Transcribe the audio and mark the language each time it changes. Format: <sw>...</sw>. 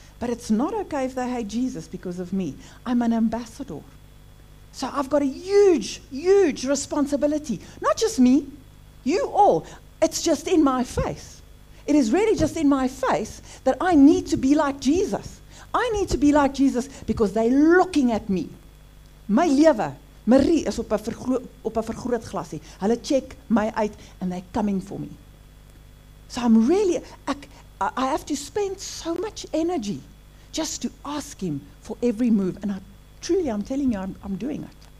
<en>But it's not okay if they hate Jesus because of me. I'm an ambassador. So I've got a huge, huge responsibility. Not just me, you all. It's just in my face. It is really just in my face that I need to be like Jesus. I need to be like Jesus because they're looking at me.</en> <af>My lewe, Marie, is op 'n vergroot glasie. Hulle check my uit</af> <en>and they're coming for me. So I'm really, I have to spend so much energy just to ask him for every move. And I truly, I'm telling you, I'm doing it.</en>